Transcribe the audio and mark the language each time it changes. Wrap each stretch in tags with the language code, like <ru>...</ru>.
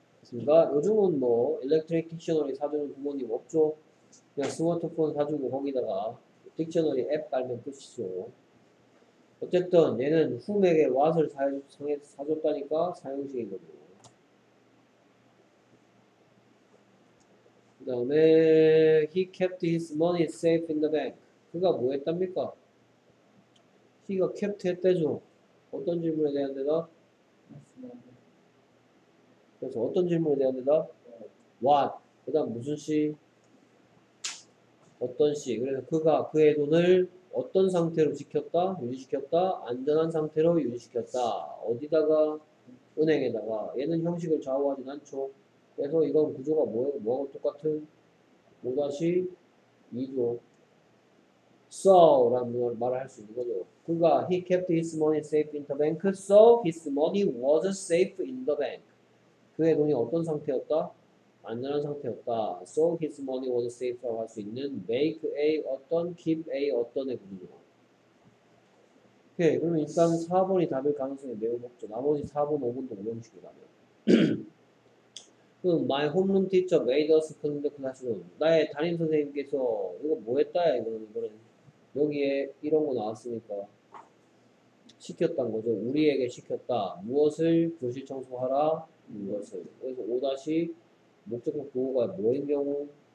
<ko>그러니까 요즘은 뭐 electronic dictionary 사주는 부모님 없죠. 그냥 스마트폰 사주고 거기다가 dictionary 앱 깔면 끝이죠. 어쨌든 얘는 훔에게 what을 사줬다니까 사용식인 거죠. 그 다음에</ko> <en>he kept his money safe in the bank.</en> <ko>그가 뭐 했답니까? he가 kept 했대죠. 어떤 질문에 대한 대답? 그래서 어떤 질문에 대한 대답? what. 그 다음 무슨 시? 어떤 시? 그래서 그가 그의 돈을 어떤 상태로 지켰다? 유지시켰다? 안전한 상태로 유지시켰다. 어디다가? 은행에다가. 얘는 형식을 좌우하진 않죠. 그래서 이건 구조가 뭐예요? 뭐하고 똑같은? 5-2죠. So 라는 말을 할 수 있는 거죠. 그가</ko> <en>he kept his money safe in the bank. So his money was safe in the bank.</en> <ko>그의 돈이 어떤 상태였다? 안전한 상태였다.</ko> <en>So his money was safe</en> <ko>라고 할 수 있는 make a 어떤, keep a 어떤의 구조. 오케이. 그럼 일단 4번이 답일 가능성이 매우 높죠. 나머지 4번, 5번도 5형식이 답이에요. 그럼</ko> <en>my homeroom teacher made us clean the classroom.</en> <ko>나의 담임선생님께서 이거 뭐 했다 이거는 여기에 이런 거 나왔으니까 시켰단 거죠. 우리에게 시켰다. 무엇을? 교실 청소하라. 무엇을? 그래서 5-2 목적격 부호가 뭐인 경우?</ko>